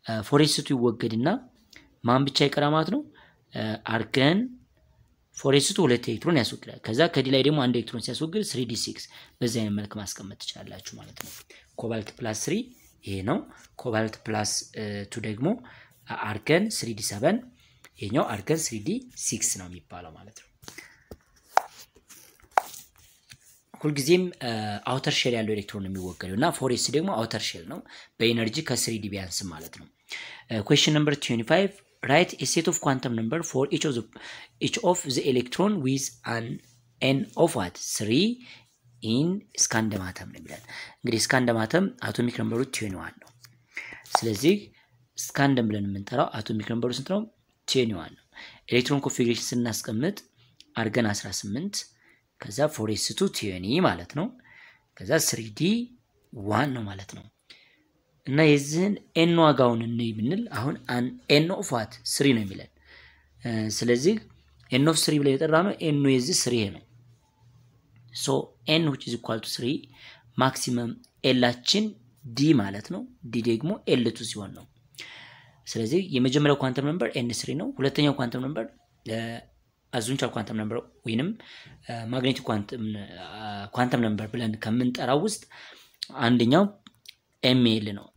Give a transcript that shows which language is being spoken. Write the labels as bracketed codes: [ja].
[am] 4s2 ይወገድና ማን ብቻ ይቀራ ማለት ነው። አርገን 4s2 ሁለት ኤሌክትሮን ያስወግዳል። ከዛ ከዲ ላይ ደግሞ አንድ ኤሌክትሮን ሲያስወግድ 3d6 በዚህ አይነት መልክ ማስቀመጥ ይችላልላችሁ ማለት ነው። ኮባልት ፕላስ 3 ይሄ ነው። ኮባልት ፕላስ 2 ደግሞ አርገን 3d7 ይሄኛው አርገን 3d6 ነው የሚባለው ማለት ነው። ሁልጊዜም አውተር ሼል ያለው ኤሌክትሮን ነው የሚወገደው እና 4s ደግሞ አውተር ሼል ነው በኤነርጂ ከ3d ቢያንስ ማለት ነው። [en] Question number 25. Write a set of quantum numbers for each of the electron with an of what? 3 in scandium atom. [am] እንግዲህ scandium atom atomic number 21 ነው. ስለዚህ scandium ብለን የምንጠራው atomic number ስንት ነው? 21 ነው. electron configuration ስናስቀምጥ አርገን 18 ከዛ 4s2 20 ማለት ነው. ከዛ 3d1 ነው ማለት ነው. እና የዚህን n ዋጋውን እንይ ብንል አሁን n of what 3 ነው የሚለን. ስለዚህ n of 3 ብለን የጠራነው n የዚህ 3 ነው. [en] So n which is equal to 3 maximum l [am] አችን d ማለት ነው. d ደግሞ l2 ሲሆን ነው. ስለዚህ የመጀመሪያው ኳንተም ነምበር n 3 ነው. ሁለተኛው ኳንተም ነምበር አዙንቻል ኳንተም ነምበር ወይንም ማግኔቲክ ኳንተም ነምበር ብለን ከምንጠራው ውስጥ አንደኛው ml ነው.